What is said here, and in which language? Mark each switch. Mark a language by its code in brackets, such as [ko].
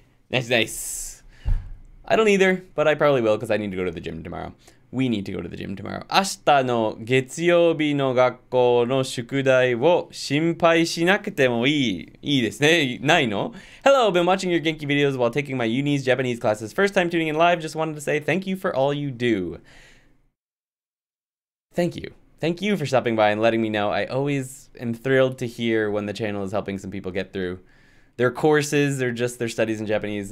[en] Nice, nice! I don't either, but I probably will because I need to go to the gym tomorrow. We need to go to the gym tomorrow. [ja] 明日の月曜日の学校の宿題を心配しなくてもいい。いいですね。ないの? [en] Hello, been watching your Genki videos while taking my uni's Japanese classes. First time tuning in live, just wanted to say thank you for all you do. Thank you. Thank you for stopping by and letting me know. I always am thrilled to hear when the channel is helping some people get through their courses or just their studies in Japanese.